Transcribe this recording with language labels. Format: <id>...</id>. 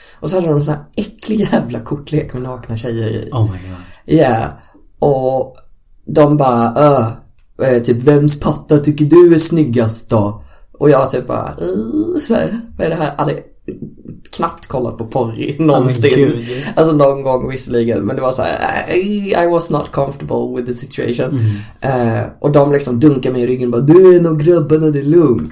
<sv>Och så hade de en sån här äcklig jävla kortlek med nakna tjejer i.</sv> <en>Oh my god. Ja. Yeah.</en> <sv>Och de bara, typ, vems patta tycker du är snyggast då? Och jag typ bara, så här, vad är det här? Hade knappt kollat på porr någonsin.</sv> <en>Oh my god.</en> <sv>Alltså någon gång visserligen. Men det var så här,</sv> <en>I was not comfortable with the situation.</en> <sv>Och de liksom dunkade mig i ryggen och bara, du är nog grabbarna, det är lugnt.</sv>